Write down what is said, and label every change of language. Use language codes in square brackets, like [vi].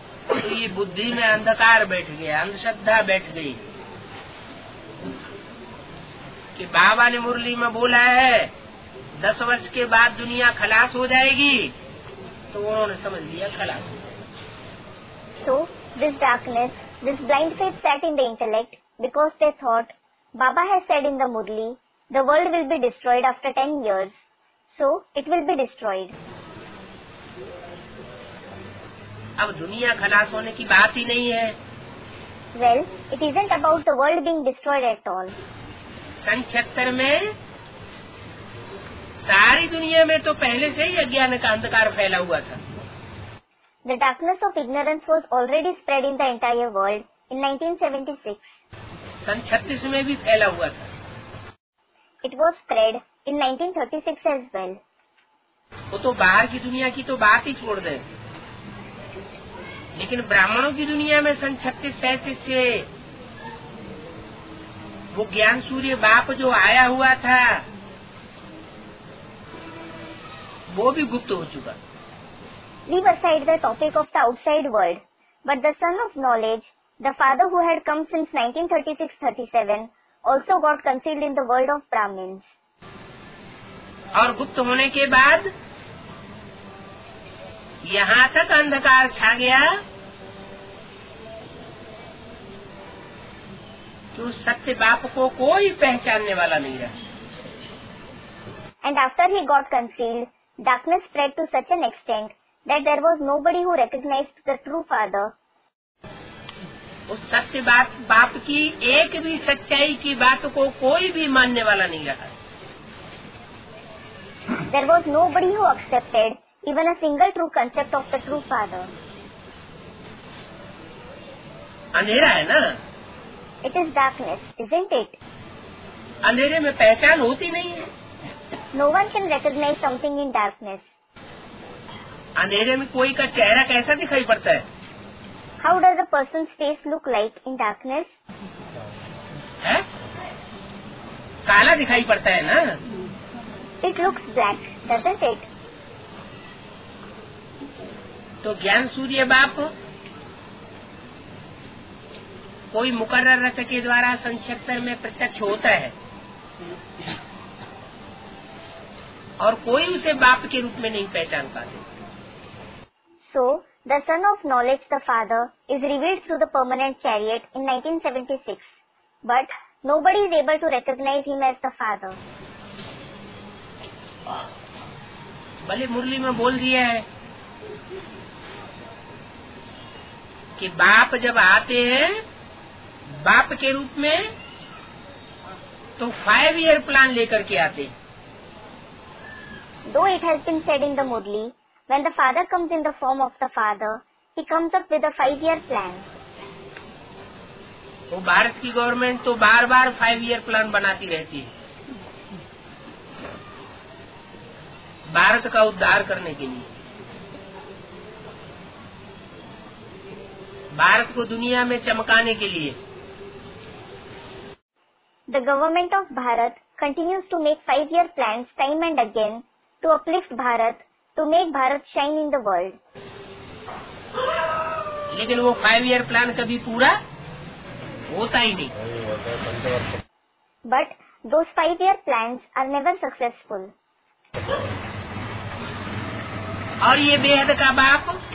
[hi] तो ये बुद्धि में अंधकार बैठ गया, अंधश्रद्धा बैठ गई कि बाबा ने मुरली में बोला है 10 वर्ष के बाद दुनिया खलास हो जाएगी, तो उन्होंने समझ लिया खलास हो जाएगी। [en] So, this darkness, This blind faith sat in the intellect because they thought, Baba has said in the Murli, the world will be destroyed after 10 years. So, it will be destroyed. [hi] अब दुनिया खलास होने की बात ही नहीं है। [en] Well, it isn't about the world being destroyed at all. [hi] 76 में सारी दुनिया में तो पहले से ही अज्ञान का अंधकार फैला हुआ था। [en] The darkness of ignorance was already spread in the entire world in 1976. [hi] 36 में भी फैला हुआ था। [en] It was spread in 1936 as well. [hi] वो तो बाहर की दुनिया की तो बात ही छोड़ दे, लेकिन ब्राह्मणों की दुनिया में 36-37 से वो ज्ञान सूर्य बाप जो आया हुआ था वो भी गुप्त हो चुका। [en] Leave aside the topic of the outside world, but the son of knowledge, the father who had come since 1936-37, also got concealed in the world of Brahmins. [hi] और गुप्त होने के बाद यहाँ तक अंधकार छा गया कि उस सत्य बाप को कोई पहचानने वाला नहीं रहा। [en] And after he got concealed, darkness spread to such an extent that there was nobody who recognized the true father. [hi] उस सत्य बाप की एक भी सच्चाई की बात को कोई भी मानने वाला नहीं रहा। [en] There was nobody who accepted even a single true concept of the true father. [hi] अंधेरा है ना? [en] It is darkness, isn't it? [hi] अंधेरे में पहचान होती नहीं है। [en] No one can recognize something in darkness. [hi] अंधेरे में कोई का चेहरा कैसा दिखाई पड़ता है? [en] How does a person's face look like in darkness? [hi] है? काला दिखाई पड़ता है ना? [en] It looks black, doesn't it? [hi] तो ज्ञान सूर्य बाप कोई मुकर्रर रथ के द्वारा 76 में प्रत्यक्ष होता है और कोई उसे बाप के रूप में नहीं पहचान पाते। [en] So, the son of knowledge, the father, is revealed through the permanent chariot in 1976. But nobody is able to recognize him as the father. [hi] भले मुरली में बोल दिया है कि बाप जब आते हैं बाप के रूप में तो 5-year प्लान लेकर के आते। [en] Though it has been said in the Murli, When the father comes in the form of the father, he comes up with a 5-year plan. [hi] वो भारत की गवर्नमेंट तो बार बार 5-year प्लान बनाती रहती है भारत का उद्धार करने के लिए, भारत को दुनिया में चमकाने के लिए। [en] The government of Bharat continues to make 5-year plans time and again to uplift Bharat. To make Bharat shine in the world. [hi] लेकिन वो 5-year प्लान कभी पूरा होता ही नहीं। [en] But those 5-year plans are never successful. [hi] और ये बेहद का बाप